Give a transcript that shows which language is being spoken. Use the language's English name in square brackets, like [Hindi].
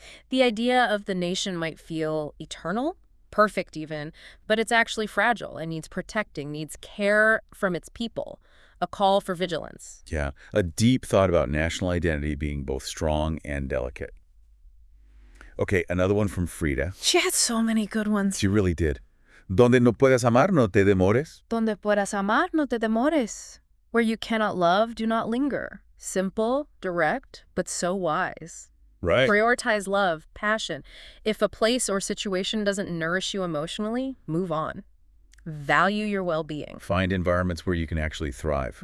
[English] The idea of the nation might feel eternal, perfect even, but it's actually fragile and needs protecting, needs care from its people. A call for vigilance. Yeah. A deep thought about national identity being both strong and delicate. Okay, another one from Frida. She had so many good ones. She really did. [Spanish] Donde no puedas amar, no te demores. Donde puedas amar, no te demores. [English] Where you cannot love, do not linger. Simple, direct, but so wise. Right. Prioritize love, passion. If a place or situation doesn't nourish you emotionally, move on. Value your well-being. Find environments where you can actually thrive.